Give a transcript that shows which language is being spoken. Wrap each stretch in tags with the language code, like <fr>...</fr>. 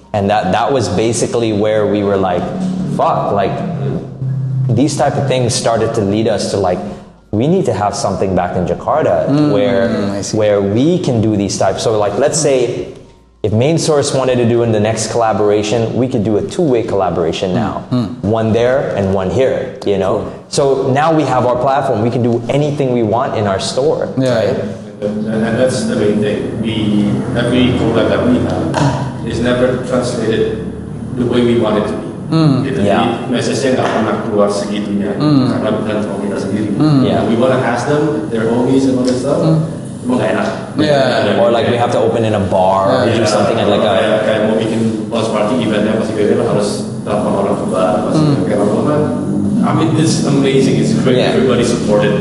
<en>And that was basically where we were like, fuck, like, these type of things started to lead us to like, we need to have something back in Jakarta where we can do these types. So like, let's say if Main Source wanted to do in the next collaboration, we could do a two-way collaboration now. One there and one here, you know? Sure. So now we have our platform. We can do anything we want in our store, right? And that's the main thing. Every collab that we have is never translated the way we want it to be.</en> <id>Message-nya nggak pernah keluar segitunya karena bukan untuk kita sendiri.</id> <en>We want to ask them their homies and all this stuff.</en> <id>Emang nggak enak.</id> <en>Or like we have to open in a bar or do something at like a.</en> <id>Kayak mau bikin post party eventnya pasti kayak gitu, harus telepon orang ke bar pasti kayak apa.</id> <en>I mean, it's amazing. It's great. Yeah. Everybody supported.</en>